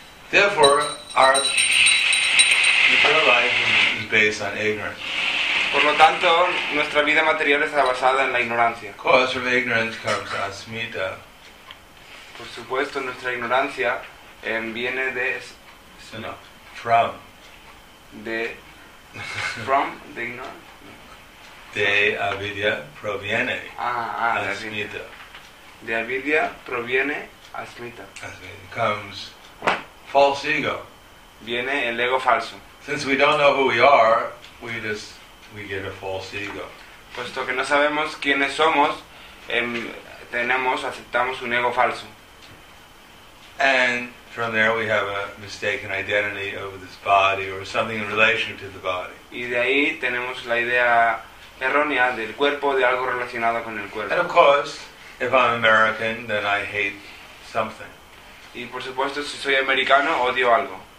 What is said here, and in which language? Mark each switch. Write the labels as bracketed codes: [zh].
[en] Therefore, our material life is based on ignorance. [es] Por lo tanto, nuestra vida material está basada en la ignorancia. [en] Cause from ignorance comes asmita. [es] Por supuesto, nuestra ignorancia viene de. [en] No, from. De. From the ignorance. [es] De avidya proviene asmita. De avidya proviene asmita. [en] Comes false ego. [es] Viene el ego falso. [en] Since we don't know who we are, we get a false ego. [es] Puesto que no sabemos quiénes somos, aceptamos un ego falso. [en] And from there we have a mistaken identity over this body or something in relation to the body. [es] Y de ahí tenemos la idea errónea del cuerpo, de algo relacionado con el cuerpo. [en] And of course, if I'm American, then I hate something. [es] Y por supuesto, si soy americano, odio algo.